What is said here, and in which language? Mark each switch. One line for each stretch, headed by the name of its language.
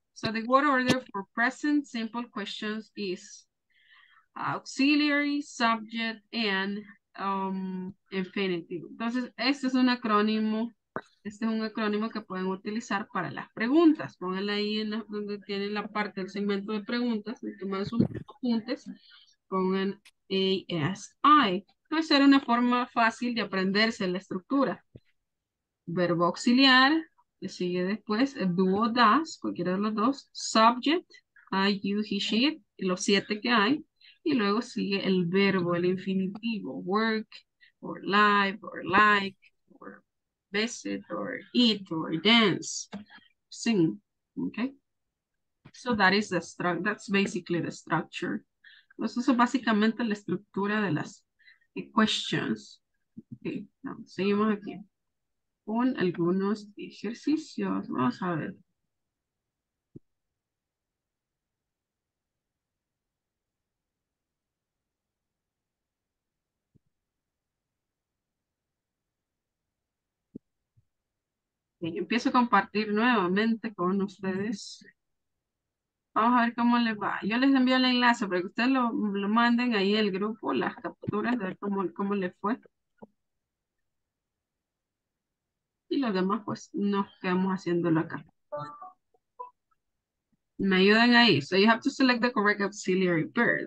English: So the word order for present simple questions is auxiliary, subject, and infinitive.
Spanish: Entonces, este es un acrónimo. Este es un acrónimo que pueden utilizar para las preguntas. Pónganla ahí en la, donde tienen la parte del segmento de preguntas, de tomar sus apuntes. Pongan ASI. Puede ser una forma fácil de aprenderse la estructura. Verbo auxiliar, que sigue después.
English: Do or does,
Spanish: cualquiera de los dos.
English: Subject, I, you, he, she,
Spanish: los siete que hay. Y luego sigue el verbo, el infinitivo,
English: work, or live, or like, or visit, or eat, or dance, sing, okay? So that is the structure, that's basically the structure.
Spanish: Eso es básicamente la estructura de las questions. Okay, now, seguimos aquí con algunos ejercicios, vamos a ver. Y empiezo a compartir nuevamente con ustedes. Vamos a ver cómo les va. Yo les envío el enlace para que ustedes lo manden ahí el grupo, las capturas, a ver cómo les fue. Y los demás, pues, nos quedamos haciéndolo acá. Me ayudan ahí.
English: So you have to select the correct auxiliary pair.